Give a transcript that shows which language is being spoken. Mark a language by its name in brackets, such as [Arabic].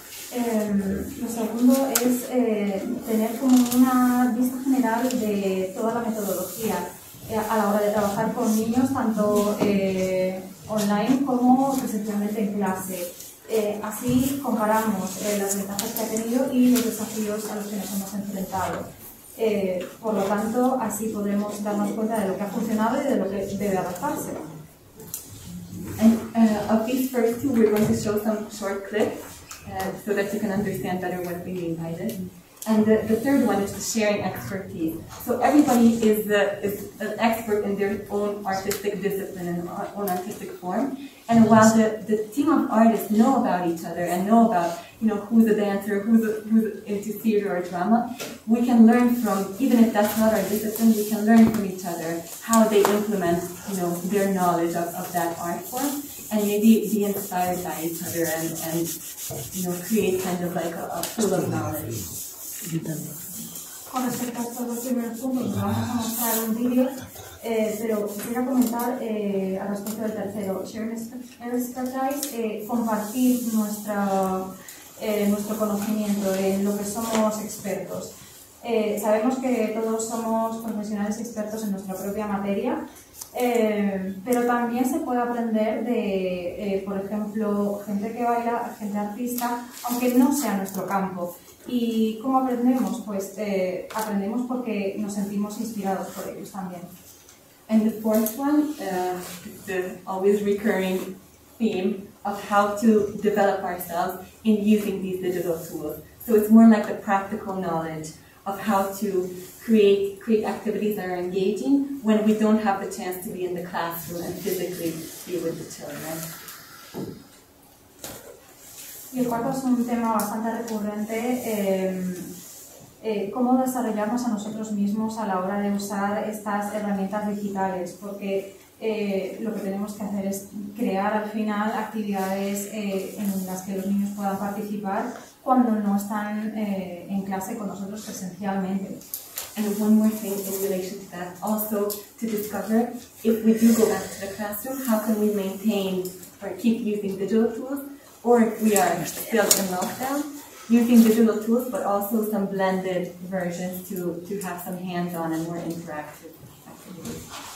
[Spanish] Lo segundo es tener como una vista general de toda la metodología a la hora de trabajar con niños, tanto online como presencialmente en clase. Así comparamos las ventajas que ha tenido y los desafíos a los que nos hemos enfrentado. Por lo tanto, así podremos darnos cuenta de lo que ha funcionado y de lo que debe adaptarse. [English] And, of these first two, we're going to show some short clips so that you can understand better what we mean by this. And the third one is the sharing expertise. So everybody is an expert in their own artistic discipline and own artistic form. And while the team of artists know about each other and know about, you know, who's a dancer, who's into theater or drama, we can learn from, even if that's not our discipline, we can learn from each other how they implement, you know, their knowledge of that art form, and maybe be inspired by each other and you know, create kind of like a pool of knowledge. [Spanish] Con respecto a los primeros puntos, vamos a mostrar un vídeo Pero quisiera comentar al respecto del tercero, [English] sharing expertise, [Spanish] compartir nuestra, nuestro conocimiento en lo que somos expertos. Sabemos que todos somos profesionales expertos en nuestra propia materia, pero también se puede aprender de, por ejemplo, gente que baila, gente artista, aunque no sea nuestro campo. ¿Y cómo aprendemos? Pues aprendemos porque nos sentimos inspirados por ellos también. [English] And the fourth one, the always recurring theme of how to develop ourselves in using these digital tools. So it's more like the practical knowledge of how to create activities that are engaging when we don't have the chance to be in the classroom and physically be with the children. [Spanish] Y el cuarto es un tema bastante recurrente, cómo desarrollarnos a nosotros mismos a la hora de usar estas herramientas digitales, porque lo que tenemos que hacer es crear al final actividades en las que los niños puedan participar cuando no están en clase con nosotros presencialmente. [English] And one more thing in relation to that, also to discover if we do go back to the classroom, how can we maintain or keep using digital tools, or if we are still in lockdown, using digital tools but also some blended versions to have some hands-on and more interactive activities.